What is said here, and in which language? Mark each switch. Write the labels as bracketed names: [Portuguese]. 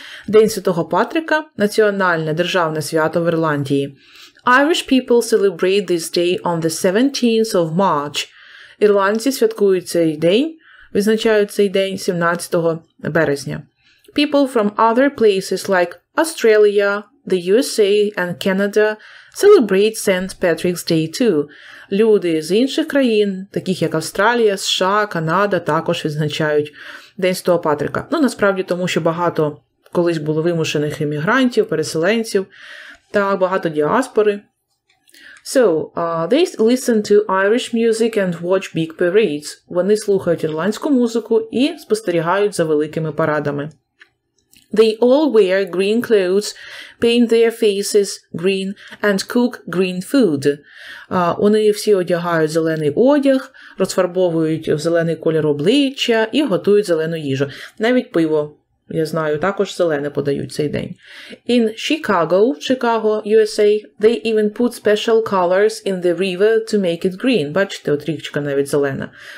[Ukrainian] День Святого Патрика – національне державне свято в Ірландії. [English] Irish people celebrate this day on the 17th of March. [Ukrainian] Ірландці святкують цей день, визначають цей день 17 березня. [English] People from other places like Australia, the USA and Canada celebrate St. Patrick's Day too. [Ukrainian] Люди з інших країн, таких як Австралія, США, Канада, також відзначають День Святого Патрика. Ну, насправді, тому що багато колись було вимушених іммігрантів, переселенців, так, багато діаспори. [English] So, they listen to Irish music and watch big parades. [Ukrainian] Вони слухають ірландську музику і спостерігають за великими парадами. [English] They all wear green clothes, paint their faces green, and cook green food. [Ukrainian] Вони всі одягають зелений одяг, розфарбовують в зелений кольор обличчя і готують зелену їжу. Навіть пиво, я знаю, також зелене подають цей день. [English] In Chicago, Chicago, USA, they even put special colors in the river to make it green. [Ukrainian] Бачите, от річка навіть зелена.